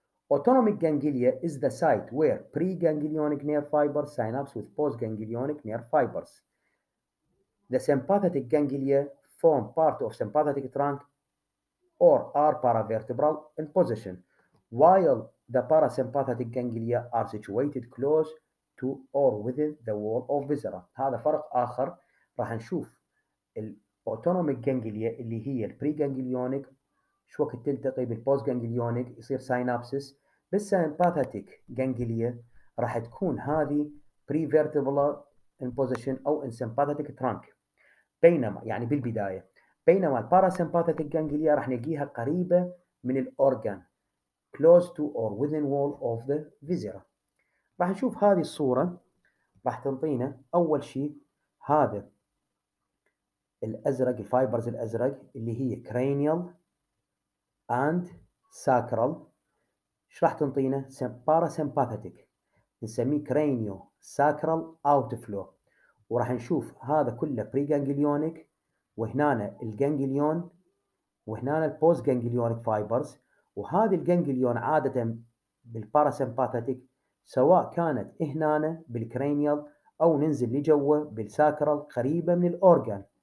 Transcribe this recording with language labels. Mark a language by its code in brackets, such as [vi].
[en] Autonomic ganglia is the site where preganglionic nerve fibers synapse with postganglionic nerve fibers. The sympathetic ganglia form part of sympathetic trunk or are paravertebral in position, while the parasympathetic ganglia are situated close to or within the wall of viscera. [ar] هذا فرق آخر. راح نشوف الautonomic ganglia اللي هي preganglionic شو وقت تلتقي بالpostganglionic يصير synapses. بالسيمباثيتك جانجليا راح تكون هذه [en] pre-vertebral in position [ar] أو [en] in sympathetic trunk. [ar] بينما يعني بالبداية بينما الparasympathetic جانجليا راح نجيها قريبة من الأورغان [en] close to or within wall of the viscera. [ar] راح نشوف هذه الصورة راح تنطينا أول شيء هذا الأزرق الفايبرز الأزرق اللي هي [en] cranial and sacral. [ar] ايش راح تنطينا؟ parasympathetic نسميه cranio sacral outflow. وراح نشوف هذا كله preganglionic وهنا الganglion وهنا postganglionic fibers. وهذه الganglion عادة بالparasympathetic سواء كانت هنا بالcranial او ننزل لجوه بالsacral قريبة من الorgan.